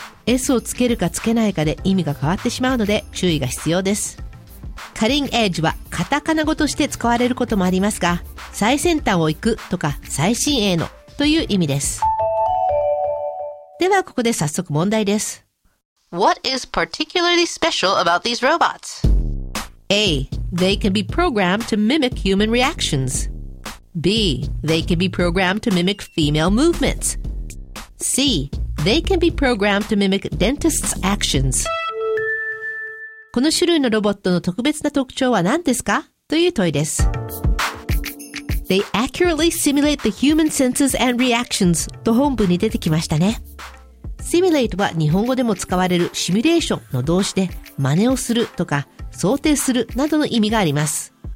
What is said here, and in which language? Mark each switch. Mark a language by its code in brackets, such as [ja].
[ja] S をつけるかつけないかで意味が変わってしまうので注意が必要です。 Cutting edge はカタカナ語として使われることもありますが、最先端を行くとか最新鋭のという意味です。ではここで早速問題です。 [en] What is particularly special about these robots? A. They can be programmed to mimic human reactions. B. They can be programmed to mimic female movements. C. They can be programmed to mimic dentists' actions. [ja] この種類のロボットの特別な特徴は何ですか? という問いです。 [en] They accurately simulate the human senses and reactions [ja] と本文に出てきましたね。 Simulate は日本語でも使われるシミュレーションの動詞で真似をするとか想定するなどの意味があります。